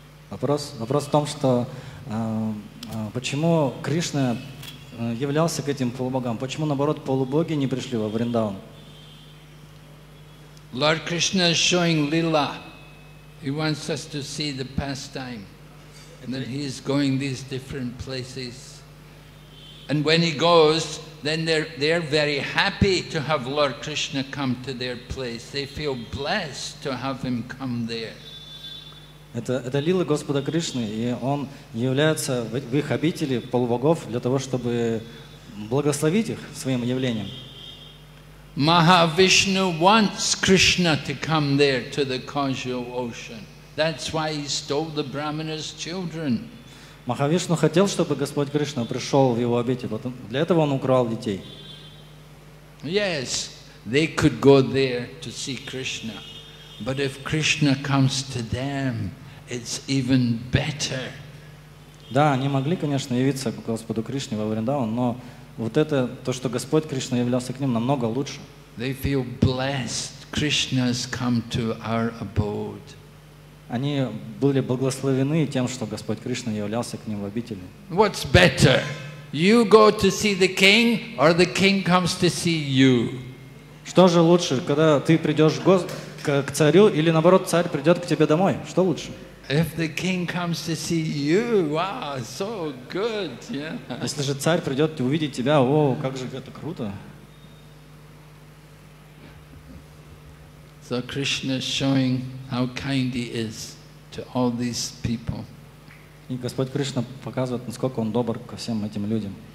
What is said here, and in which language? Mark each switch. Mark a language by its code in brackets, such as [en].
[ru] Вопрос в том, что почему Кришна являлся к этим полубогам? Почему наоборот полубоги не пришли во Вриндаван? [en] Lord Krishna is showing lila. He wants us to see the pastime, and that he is going these different places. And when he goes, then they're very happy to have Lord Krishna come to their place. They feel blessed to have him come there. [ru] Это лила Господа Кришны, и он является в их обители полубогов для того, чтобы благословить их своим явлением. [en] Mahavishnu wants Krishna to come there to the causal ocean. That's why he stole the Brahmana's children. [ru] Махавишну хотел, чтобы Господь Кришна пришел в его обитель. Для этого он украл детей. [en] Yes, they could go there to see Krishna. But if Krishna comes to them, it's even better. [ru] Да, они могли, конечно, явиться к Господу Кришне во Вриндаван, но вот это, то, что Господь Кришна являлся к ним, намного лучше. [en] They feel blessed. Krishna's come to our abode. [ru] Они были благословены тем, что Господь Кришна являлся к ним в обители. [en] What's better? You go to see the king, or the king comes to see you? [ru] Что же лучше, когда ты придешь к царю, или наоборот, царь придет к тебе домой? Что лучше? [en] If the king comes to see you, wow, so good, yeah. [ru] Если же царь придет увидеть тебя, о, как же это круто. [en] So Krishna is showing how kind he is to all these people. [ru] И Господь Кришна показывает, насколько он добр ко всем этим людям.